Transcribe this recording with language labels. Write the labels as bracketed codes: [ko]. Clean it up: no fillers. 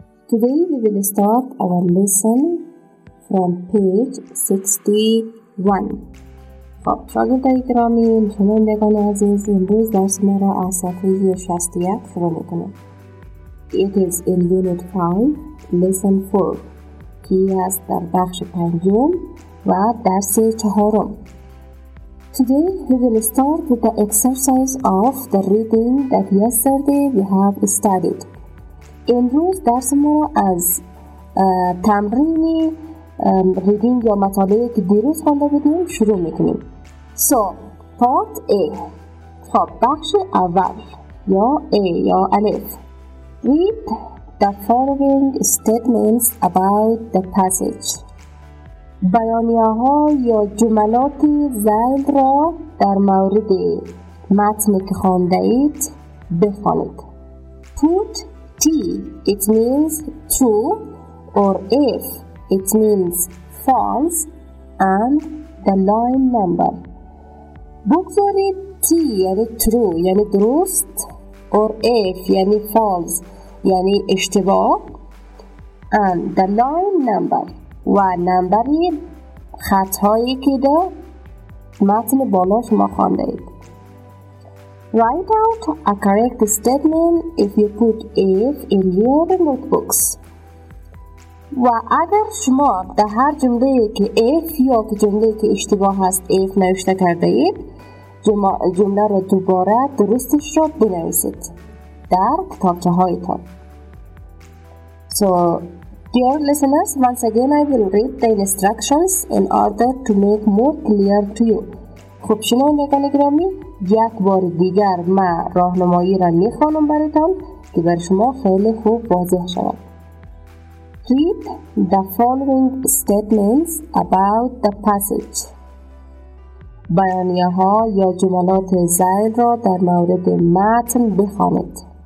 [en] Today we will start our lesson from page 61. [fa] خب شاگرد گرامی شنوندگان عزیز امروز درس ما را از صفحه 61 شروع میکنیم. [en] It is in unit 5, lesson 4. [fa] که است در بخش پنجم و درس چهارم. [en] Today we will start with the exercise of the reading that yesterday we have studied. [fa] امروز درس ما از تمرین reading یا مطالعه که دیروز خوانده بودیم شروع میکنیم. [en] So part A. [fa] خب بخش اول یا A یا الف. [en] Read the following statements about the passage. [fa] بیانیه ها یا جملات زید را در مورد متن که خوانده اید بخوانید. [en] Put T, it means true, or if, it means false, and the line number. [fa] بگذارید T یعنی true یعنی درست, [en] or if [fa] یعنی false یعنی اشتباه, [en] and the line number [fa] و نمبری خطهایی که در متن بالا شما خوانده اید. [en] Write out a correct statement if you put if in your notebooks. [fa] و اگر شما در هر جمله که if یا که جمله که اشتباه هست if نوشته کرده اید, جمله را دوباره درستش را بنویسید در کتابچه هایتان. [en] So dear listeners, once again I will read the instructions in order to make more clear to you. [fa] خوب شنوندگان گرامی, یک بار دیگر ما راهنمایی را میخوانم براتون که بر شما خیلی خوب واضح شود. [en] Read the following statements about the passage. [fa] بیانیه ها یا جملات زائد را در مورد متن بخوانید.